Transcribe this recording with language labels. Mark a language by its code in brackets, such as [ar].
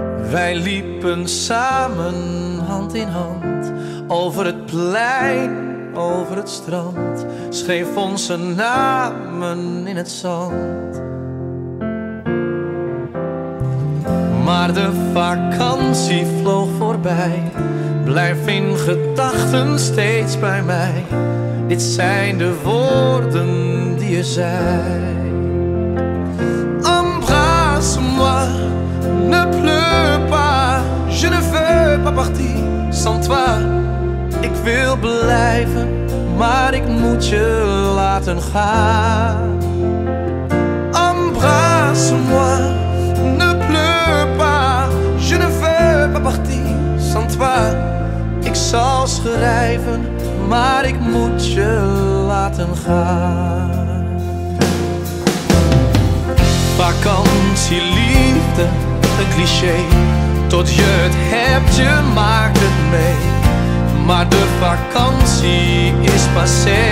[nl] Wij liepen samen hand in hand, over het plein, over het strand, schreef onze namen in het zand. Maar de vakantie vloog voorbij, blijf in gedachten steeds bij mij. Dit zijn de woorden die je zei. [fr] Embrasse-moi, ne pleure pas, je ne veux pas partir sans toi. [nl] Ik wil blijven, maar ik moet je laten gaan. [fr] Embrasse-moi, ne pleure pas, je ne veux pas partir sans toi. [nl] Ik zal schrijven, maar ik moet je laten gaan. Vakantie, liefde, een cliché. Tot je het hebt, je maakt het mee. Maar de vakantie is passé.